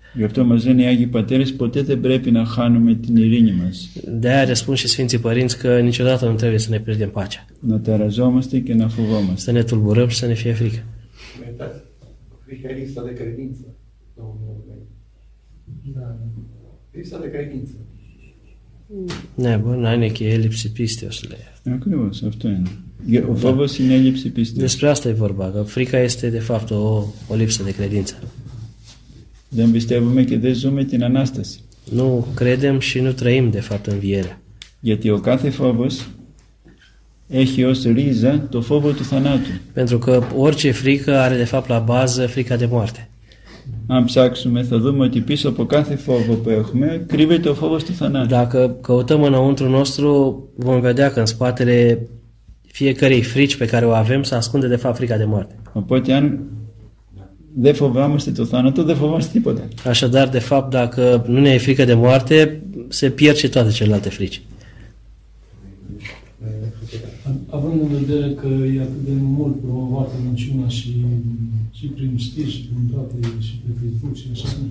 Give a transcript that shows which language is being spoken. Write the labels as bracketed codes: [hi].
[el] Γι' αυτό μας λένε οι Άγιοι Πατέρες, ποτέ δεν πρέπει να χάνουμε την ειρήνη μας. [ro] De-aia răspund și Sfinții Părinți că niciodată nu trebuie să ne pierdem pacea. [el] Να ταραζόμαστε και να φοβόμαστε. [ro] Să ne tulburăm și să ne fie frică. Μετά, frică e lista de credință. Lipsa de credință. Nebun, aine că e lipsi pisteos. [el] Ακριβώς, αυτό είναι. Ο φόβος είναι έλλειψη πίστεως. [ro] Despre asta e vorba, că frica este de fapt o lipsă de credință. [el] Δεν πιστεύουμε και δεν ζούμε την Ανάσταση. [ro] Nu credem și nu trăim de fapt învierea. [el] Γιατί ο κάθε φόβος έχει ως ρίζα το φόβο του θανάτου. [ro] Pentru că orice frică are de fapt la bază frica de moarte. [el] Αν ψάξουμε, θα δούμε ότι πίσω από κάθε φόβο που έχουμε κρύβεται ο φόβος του θανάτου. [ro] Dacă căutăm înăuntru nostru, vom vedea că în spatele fiecărei frici pe care o avem se ascunde de fapt frica de moarte. [el] Οπότε, αν δεν φοβάμαστε το θάνατο, δεν φοβάμαστε τίποτα. [ro] Așadar, de fapt, dacă nu ne e frică de moarte, se pierd și toate celelalte frici. Având în vedere că e atât de mult promovată minciuna și prin știri și prin toate și pe Facebook și așa.